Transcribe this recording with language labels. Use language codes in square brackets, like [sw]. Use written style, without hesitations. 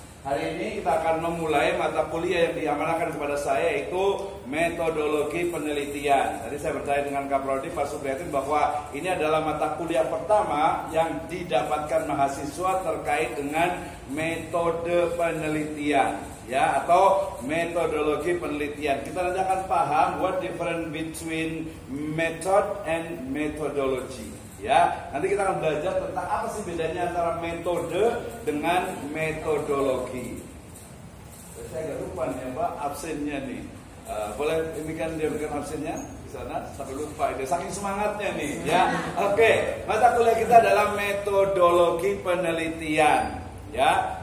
[id] Hari ini kita akan memulai mata kuliah yang diamanahkan kepada saya, yaitu metodologi penelitian. Tadi saya bertanya dengan Kaprodi Pak Supriyatin bahwa ini adalah mata kuliah pertama yang didapatkan mahasiswa terkait dengan metode penelitian, ya, atau metodologi penelitian. [en] Kita nanti akan paham what difference between method and methodology. [id] Ya, nanti kita akan belajar tentang apa sih bedanya antara metode dengan metodologi. Saya agak lupa nih, Pak, absennya nih. Boleh ini kan dia berikan absennya di sana, sampai lupa dia saking semangatnya nih, ya. Oke, mata kuliah kita adalah metodologi penelitian, ya.